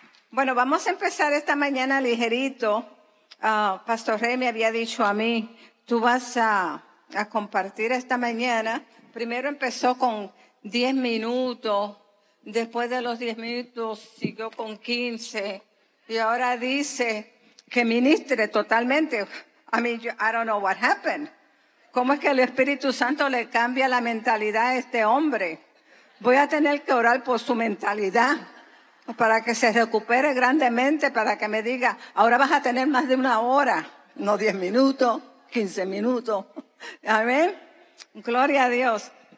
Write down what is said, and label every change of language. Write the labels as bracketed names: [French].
[Spanish] Bueno, vamos a empezar esta mañana ligerito. Pastor Rey me había dicho a mí, tú vas a compartir esta mañana. Primero empezó con 10 minutos, después de los 10 minutos siguió con 15, y ahora dice que ministre totalmente. [English] I mean, I don't know what happened. [Spanish] ¿Cómo es que el Espíritu Santo le cambia la mentalidad a este hombre? Voy a tener que orar por su mentalidad para que se recupere grandemente, para que me diga, ahora vas a tener más de una hora, no 10 minutos, 15 minutos. Amén. Gloria a Dios.